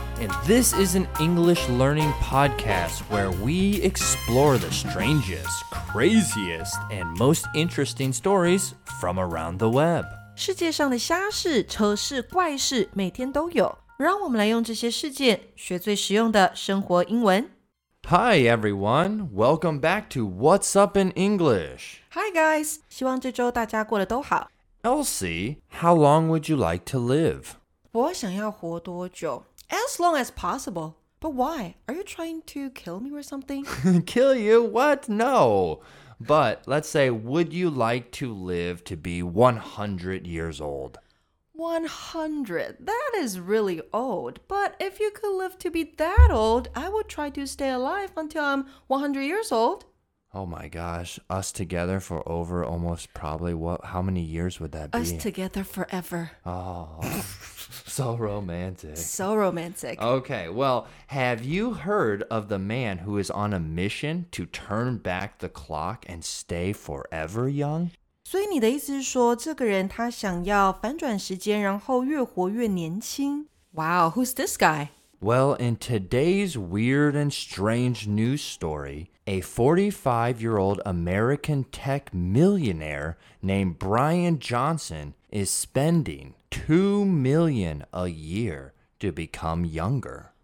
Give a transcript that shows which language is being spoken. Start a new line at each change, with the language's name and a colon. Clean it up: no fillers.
English: And this is an English learning podcast where we explore the strangest, craziest, and most interesting stories from around the web.
Chinese: 世界上的瞎事、丑事、怪事每天都有。让我们来用这些事件学最实用的生活英文。
English: Hi everyone, welcome back to What's Up in English. Hi guys,
Chinese: 希望这周大家过得都好。
English: Elsie, how long would you like to live?
Chinese: 我想要活多久?
English: As long as possible. But why? Are you trying to kill me or something? Kill you? What? No. But let's say, would you like to live to be 100 years old? 100, that is really old, but if you could live to be that old, I would try to stay alive until I'm 100 years old. Oh my gosh, us together for over almost probably, what, how many years would that be? Us together forever. Oh, so romantic. So romantic. Okay, well, have you heard of the man who is on a mission to turn back the clock and stay forever young?
Chinese: 所以你的意思是说，这个人他想要反转时间，然后越活越年轻。
English: Wow, who's this guy? Well, in today's weird and strange news story, a 45-year-old American tech millionaire named Brian Johnson is spending $2 million a year to become younger.